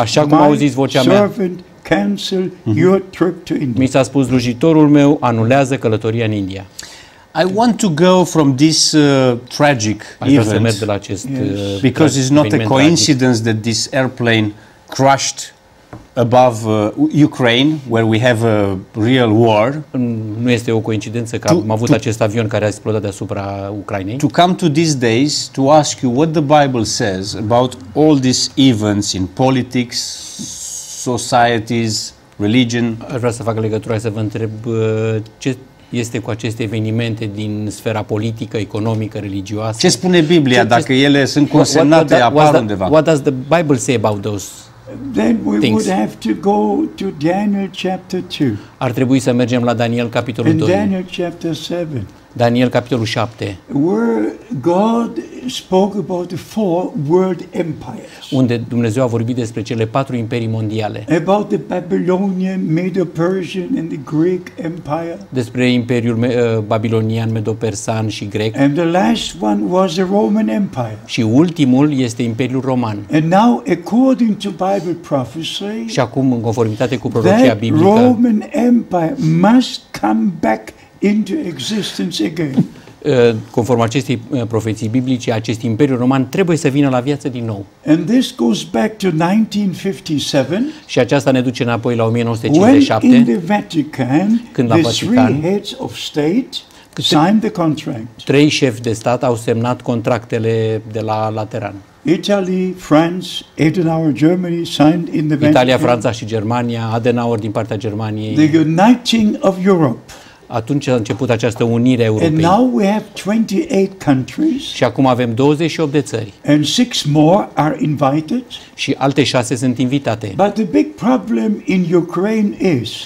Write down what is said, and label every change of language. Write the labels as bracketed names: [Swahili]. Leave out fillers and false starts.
[Romanian] așa cum auziți vocea mea. [English] Cancel your trip to India. [Romanian] Mi s-a spus rugitorul meu anulează călătoria în India. [English] I want to go from this tragic [Romanian] event de la acest, yes. [English] Because it's not a coincidence that this airplane crashed above Ukraine where we have a real war. [Romanian] Nu este o coincidență că am avut acest avion care a explodat deasupra Ucrainei. [English] To come to these days to ask you what the Bible says about all these events in politics, societies, religion. [Romanian] Aș vrea să fac legătura, să vă întreb ce este cu aceste evenimente din sfera politică, economică, religioasă. Ce spune Biblia dacă ele sunt consemnate, apar undeva? [English] What does the Bible say about those? Then we things. Would have to go to Daniel chapter 2. [Romanian] Ar trebui să mergem la Daniel capitolul 2. [English] Daniel chapter 7. [Romanian] Daniel capitolul 7. [English] Where God spoke about the four world empires. [Romanian] Unde Dumnezeu a vorbit despre cele patru imperii mondiale. [English] About the Babylonian, Medo-Persian and the Greek empire. [Romanian] Despre imperiul babilonian, medo-persan și grec. [English] And the last one was the Roman Empire. [Romanian] Și ultimul este imperiul roman. [English] And now according to Bible prophecy. [Romanian] Și acum în conformitate cu prorocia biblică. [English] The Roman Empire must come back into existence again. [Romanian] Conform acestei profeții biblice, acest imperiu roman trebuie să vină la viață din nou. [English] And this goes back to 1957. [Romanian] Și aceasta ne duce înapoi la 1957. [English] When in the Vatican, [Romanian] când [English] the three heads of state signed the contract. [Romanian] Trei șefi de stat au semnat contractele de la Lateran. [English] Italy, France, Adenauer, Germany signed in the Vatican. [Romanian] Italia, Franța și Germania, Adenauer din partea Germaniei. [English] The uniting of Europe. [Romanian] Atunci a început această unire europeană. [English] And now we have 28 countries. [Romanian] Și acum avem 28 de țări. [English] And 6 more are invited. [Romanian] Și alte 6 sunt invitate. [English] But the big problem in Ukraine is.